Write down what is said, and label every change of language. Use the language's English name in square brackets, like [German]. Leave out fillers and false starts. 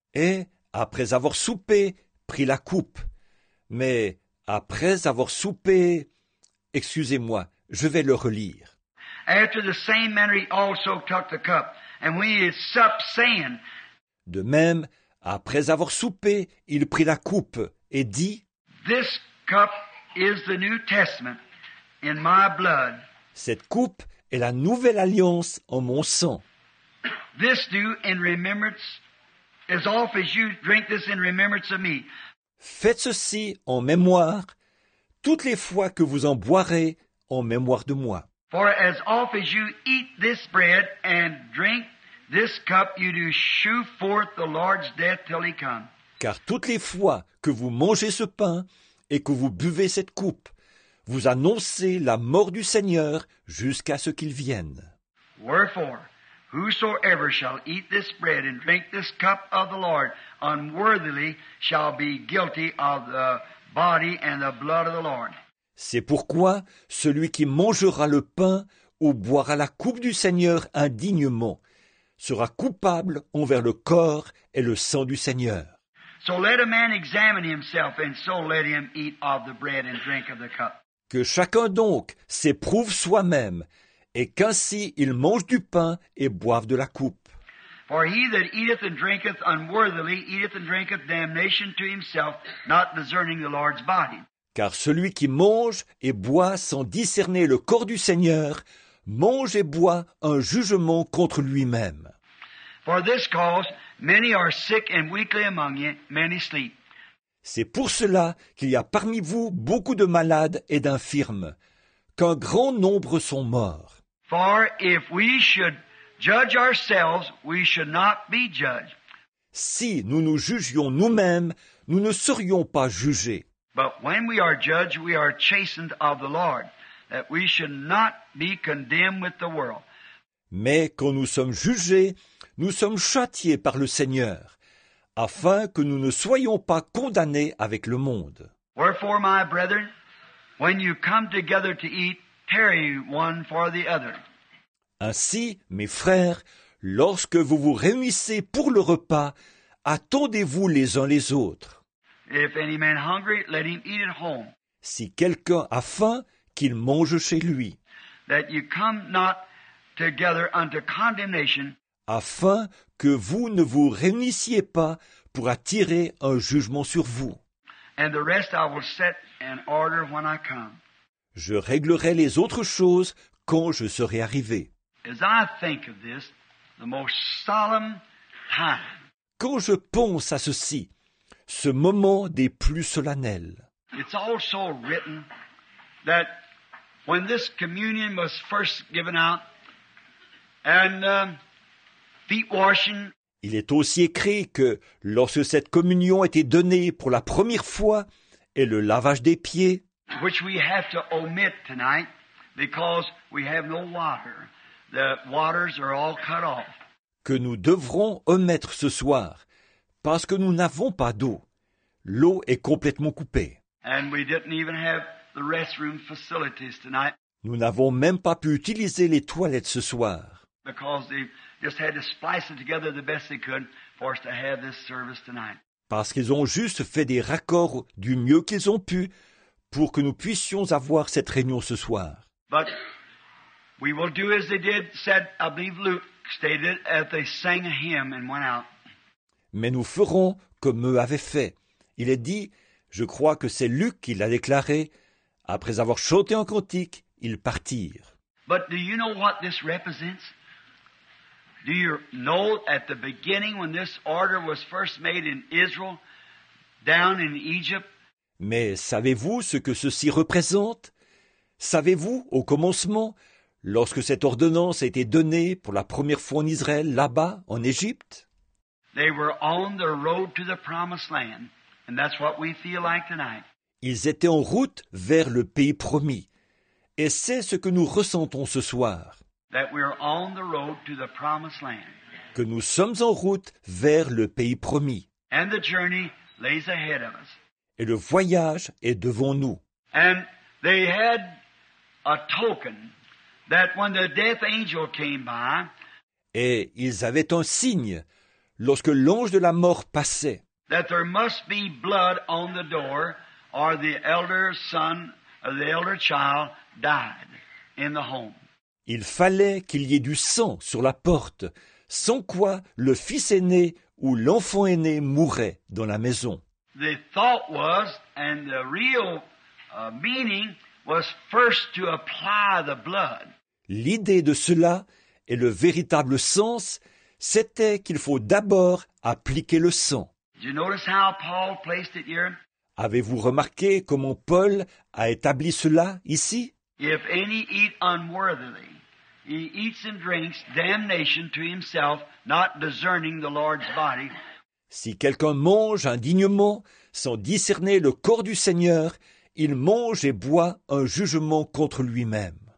[French] Et après avoir soupé, prit la coupe. Mais après avoir soupé, excusez-moi, je vais le relire. [English] After the same manner he also took the cup. And when he had supped, saying. [French] De même, après avoir soupé, il prit la coupe et dit, [English] this cup is the New Testament in my blood. [French] Cette coupe est la nouvelle alliance en mon sang. [English] This do in remembrance, as often as you drink this in remembrance of me. [French] Faites ceci en mémoire, toutes les fois que vous en boirez en mémoire de moi. [English] For as often as you eat this bread and drink this cup, you do shew forth the Lord's death till he come. [French] car toutes les fois que vous mangez ce pain et que vous buvez cette coupe, vous annoncez la mort du Seigneur jusqu'à ce qu'il vienne. [English] Wherefore, whosoever shall eat this bread and drink this cup of the Lord unworthily shall be guilty of the body and the blood of the Lord. [French] C'est pourquoi celui qui mangera le pain ou boira la coupe du Seigneur indignement sera coupable envers le corps et le sang du Seigneur. [English] So let a man examine himself, and so let him eat of the bread and drink of the cup. [French] Que chacun donc s'éprouve soi-même, et qu'ainsi il mange du pain et boive de la coupe. [English] For he that eateth and drinketh unworthily eateth and drinketh damnation to himself, not discerning the Lord's body. [French] Car celui qui mange et boit sans discerner le corps du Seigneur mange et boit un jugement contre lui-même. [English] For this cause, many are sick and weakly among you, many sleep. [French] C'est pour cela qu'il y a parmi vous beaucoup de malades et d'infirmes, qu'un grand nombre sont morts. [English] For if we should judge ourselves, we should not be judged. [French] Si nous nous jugions nous-mêmes, nous ne serions pas jugés. [English] But when we are judged, we are chastened of the Lord, that we should not be condemned with the world. [French] Mais quand nous sommes jugés, nous sommes châtiés par le Seigneur, afin que nous ne soyons pas condamnés avec le monde. [English] Wherefore, my brethren, when you come together to eat, tarry one for the other. [French] Ainsi, mes frères, lorsque vous vous réunissez pour le repas, attendez-vous les uns les autres. [English] If any man hungry, let him eat at home. [French] Si quelqu'un a faim, qu'il mange chez lui. [English] That you come not together unto condemnation. [French] Afin que vous ne vous réunissiez pas pour attirer un jugement sur vous. [English] And the rest I will set in order when I come. [French] Je réglerai les autres choses quand je serai arrivé. [English] As I think of this, the most solemn time. [French] Quand je pense à ceci, ce moment des plus solennels. [English] It's also written that when this communion was first given out and feet washing. [French] Il est aussi écrit que lorsque cette communion était donnée pour la première fois et le lavage des pieds, [English] which we have to omit tonight because we have no water. The waters are all cut off. [French] Que nous devrons omettre ce soir parce que nous n'avons pas d'eau. L'eau est complètement coupée. [English] And we didn't even have the restroom facilities tonight. [French] Nous n'avons même pas pu utiliser les toilettes ce soir. [English] Because they just had to splice it together the best they could for us to have this service tonight. [French] Parce qu'ils ont juste fait des raccords du mieux qu'ils ont pu pour que nous puissions avoir cette réunion ce soir. [English] But we will do as they did, said, I believe Luke stated, as they sang a hymn and went out. [French] Mais nous ferons comme eux avaient fait. Il est dit, je crois que c'est Luc qui l'a déclaré, après avoir chanté un cantique, ils partirent. [English] But do you know what this represents? Do you know at the beginning when this order was first made in Israel, down in Egypt? [French] Mais savez-vous ce que ceci représente? Savez-vous au commencement, lorsque cette ordonnance a été donnée pour la première fois en Israël, là-bas, en Égypte? [English] They were on the road to the promised land. And that's what we feel like tonight. [French] Ils étaient en route vers le pays promis. Et c'est ce que nous ressentons ce soir. [English] That we are on the road to the promised land. [French] Que nous sommes en route vers le pays promis. [English] And the journey lays ahead of us. [French] Et le voyage est devant nous. [English] And they had a token that when the death angel came by. [French] Et ils avaient un signe lorsque l'ange de la mort passait. [English] That there must be blood on the door, or the elder son, or the elder child died in the home. [French] Il fallait qu'il y ait du sang sur la porte, sans quoi le fils aîné ou l'enfant aîné mourait dans la maison. [English] The thought was, and the real meaning was first to apply the blood. [French] L'idée de cela et le véritable sens, c'était qu'il faut d'abord appliquer le sang. [English] Did you notice how Paul placed it here? [French] Avez-vous remarqué comment Paul a établi cela ici? [English] If any eat unworthily, he eats and drinks damnation to himself, not discerning the Lord's body. [French] Si quelqu'un mange indignement, sans discerner le corps du Seigneur, il mange et boit un jugement contre lui-même.